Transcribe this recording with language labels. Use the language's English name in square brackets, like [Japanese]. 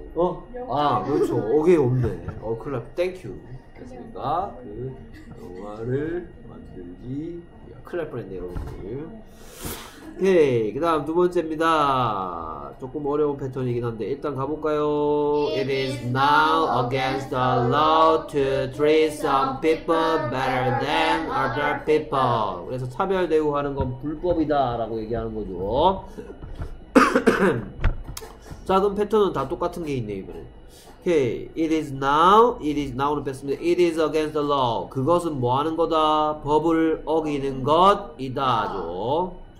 [Korean] 어? 아 그렇죠. 오게 없네. 어 큰일 났다. 땡큐. 됐습니까? 그 영화를 만들기. 야, 큰일 날 뻔했네 여러분들. 오케이. 그 다음 두 번째입니다. 조금 어려운 패턴이긴 한데 일단 가볼까요? [English] It is now against the law to treat some people better than other people. [Korean] 그래서 차별 대우하는 건 불법이다 라고 얘기하는 거죠. 자 그럼 패턴은 다 똑같은 게 있네 이번에. [English] Okay. It is now는 [Korean] 뺐습니다. [English] It is against the law. [Korean] 그것은 뭐 하는 거다? 법을 어기는 것이다 죠.